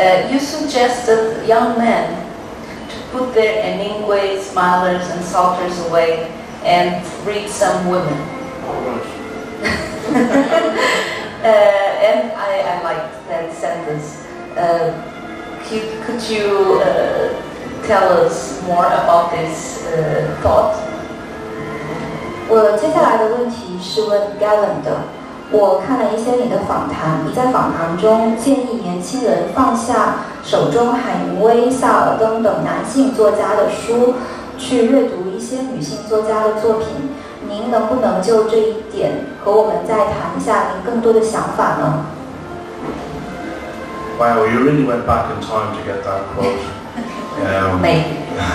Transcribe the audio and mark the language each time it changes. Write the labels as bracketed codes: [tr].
[en] You suggested young men to put their enigma, smilers, and salters away and read some women. and I liked that sentence. Could you tell us more about this thought? [zh] 我接下来的问题是问 Gavin 的。我看了一些你的访谈，你在访谈中建议年轻人放下手中海明威、萨尔登等男性作家的书，去阅读一些女性作家的作品。您能不能就这一点和我们再谈一下您更多的想法呢？ [en] Wow, you really went back in time to get that quote.